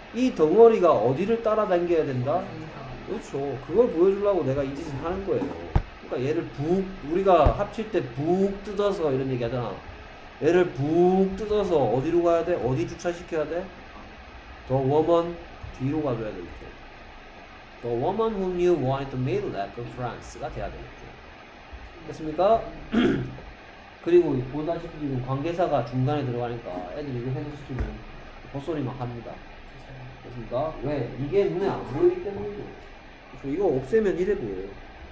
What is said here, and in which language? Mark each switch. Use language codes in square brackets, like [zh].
[ko] 이 덩어리가 어디를 따라다녀야 된다? 그렇죠. 그걸 보여주려고 내가 이 짓을 하는 거예요. 얘를 북 우리가 합칠 때 북 뜯어서 이런 얘기 하잖아. 얘를 북 뜯어서 어디로 가야 돼? 어디 주차시켜야 돼? The woman 뒤로 가줘야 되겠죠. [en] The woman whom you wanted to meet left France가 [ko] 돼야 되겠죠. 됐습니까? 그리고 보다시피 지금 관계사가 중간에 들어가니까 애들이 이거 해놓으시면 헛소리 막 합니다. 됐습니까? 왜? 이게 눈에 안 보이기 때문이죠. 이거 없애면 이래 보여요.